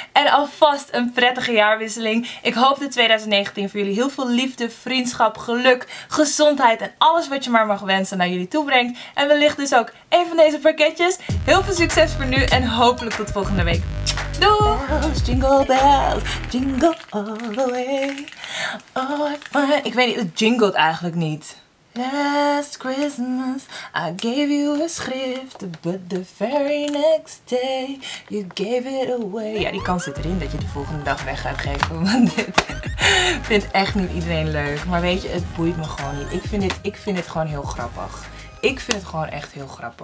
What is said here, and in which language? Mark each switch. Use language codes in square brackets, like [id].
[nl] En alvast een prettige jaarwisseling. Ik hoop dat 2019 voor jullie heel veel liefde, vriendschap, geluk, gezondheid en alles wat je maar mag wensen naar jullie toe brengt. En wellicht dus ook een van deze pakketjes. Heel veel succes voor nu en hopelijk tot volgende week. Doei! [en] Jingle bells, jingle all the way. [nl] Oh, ik weet niet, het jingelt eigenlijk niet. [en] Last Christmas, I gave you a script, but the very next day, you gave it away. [nl] Ja, die kans zit erin dat je de volgende dag weg gaat geven, want dit vindt echt niet iedereen leuk. Maar weet je, het boeit me gewoon niet. Ik vind het gewoon heel grappig. Ik vind het gewoon echt heel grappig.